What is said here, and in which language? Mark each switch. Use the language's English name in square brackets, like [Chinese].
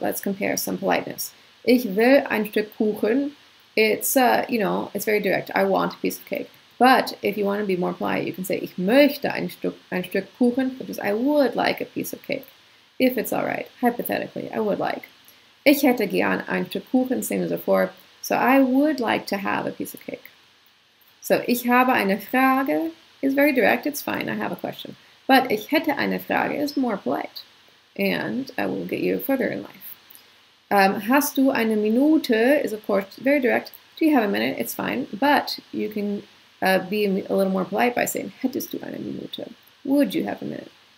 [German] Let's compare some politeness. Ich will ein Stück Kuchen. [English] It's, it's very direct. I want a piece of cake. But if you want to be more polite, you can say ich möchte ein Stück Kuchen, which is I would like a piece of cake. If it's all right, hypothetically, I would like. [German] Ich hätte gern ein Stück Kuchen, same as before. [English] So I would like to have a piece of cake. So ich habe eine Frage is very direct. It's fine. I have a question. But ich hätte eine Frage is more polite. And I will get you further in life. Hast du eine Minute is, of course, very direct. Do you have a minute? It's fine. But you can be a little more polite by saying, hättest du eine Minute? Would you have a minute?